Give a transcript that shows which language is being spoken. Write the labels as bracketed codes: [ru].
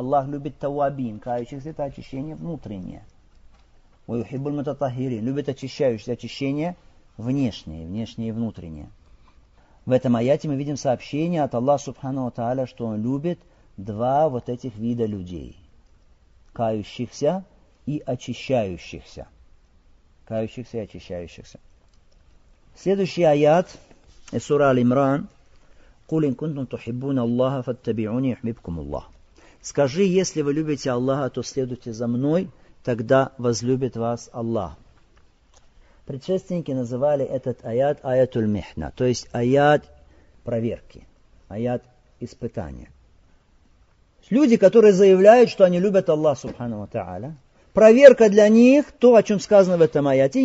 [ru] Аллах любит тауабин, кающихся, это очищение внутреннее. [ar] Уйхибуль мутатахирин, [ru] любит очищающие, очищение внешнее, внешнее и внутреннее. В этом аяте мы видим сообщение от Аллаха Субхану ва Тааля, что Он любит два вот этих вида людей. Кающихся и очищающихся. Кающихся и очищающихся. Следующий аят. [ar] سورة الإمران قل إن كنتم تحبون الله فاتبعوني يحببكم الله. [ru] Скажи, если вы любите Аллаха, то следуйте за мной, тогда возлюбит вас Аллах. Предшественники называли этот аят аятуль михна, то есть аят проверки, аят испытания. Люди, которые заявляют, что они любят Аллаха субхана ва тааля, проверка для них то, о чем сказано в этом аяте.